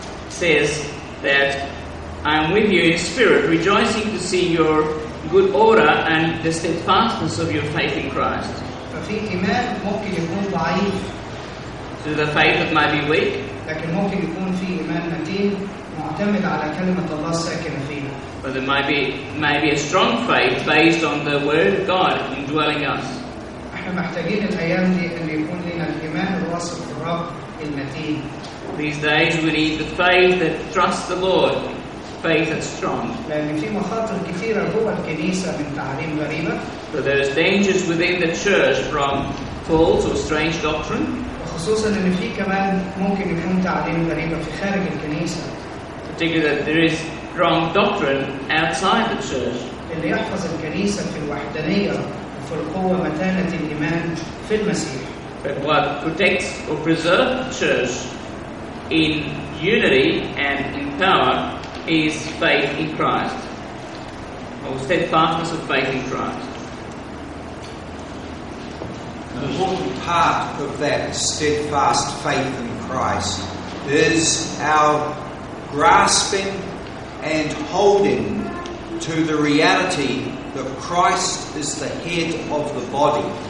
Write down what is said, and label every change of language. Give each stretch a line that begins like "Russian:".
English: Says that I am with you in spirit, rejoicing to see your good order and the steadfastness of your faith in Christ.
Arabic: في إيمان ممكن يكون ضعيف.
English: So the faith that might be weak.
Arabic: لكن ممكن يكون في إيمان متين معتمد على كلمة الله ساكنة فينا.
English: But there might be a strong faith based on the word of God indwelling us.
Arabic: إحنا محتاجين الأيام دي إن يكون لنا الإيمان الواثق في الرب المتين.
English: These days we need the faith that trusts the Lord, faith that's strong.
Arabic: لأن في مخاطر كثيرة جوه الكنيسة من تعاليم غريبة.
English: So there is dangers within the church from false or strange doctrine.
Arabic: وخصوصاً إن في كمان ممكن يكون تعليم غريب في خارج الكنيسة.
English: Particularly that there is wrong doctrine outside the church.
Arabic: اللي يحفظ الكنيسة في الوحدانية وفي القوة متانة الإيمان في المسيح.
English: But what protects or preserves the church in unity and in power is faith in Christ, or steadfastness of faith in Christ. An important part of that steadfast faith in Christ is our grasping and holding to the reality that Christ is the head of the body.